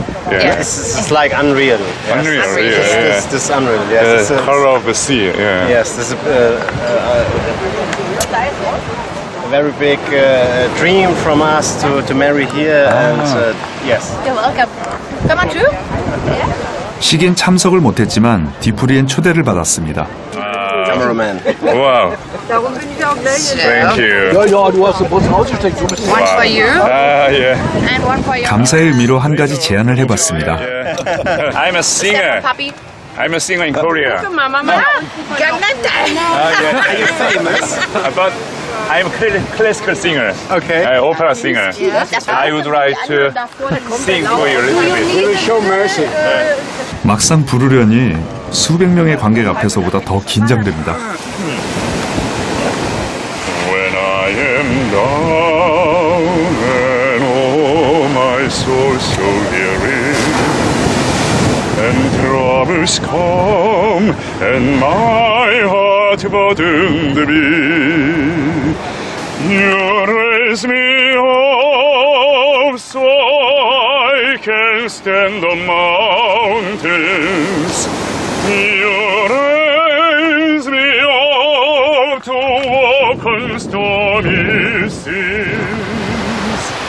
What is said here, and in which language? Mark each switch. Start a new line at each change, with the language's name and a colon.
English: it's like unreal. Yes. Unreal. Yeah, it's, yeah. This unreal. Yes. The color of the sea. Yeah. Yes. This is a very big dream from us to marry here. Uh-huh. And yes. You're welcome. Come on, too. Yeah.
Korean: 식인 참석을 못했지만 디프리엔 초대를 받았습니다.
English: Cameraman. What's the most outrageous thing? One for you. Ah, yeah. And one for you.
Korean: 감사의 의미로 한 가지 제안을 해봤습니다.
English: I'm a singer. I'm a singer in Korea. Mama, Gangnam. Are you famous? But I'm a classical singer. Okay. Opera singer. I would like to sing for you a little bit. Will you show mercy?
Korean: 막상 부르려니 수백 명의 관객 앞에서보다 더 긴장됩니다.
English: When I am down and my soul so weary and troubles come and my heart burdened me you raise me up so I can stand on mountains You raise me up to walk on stormy seas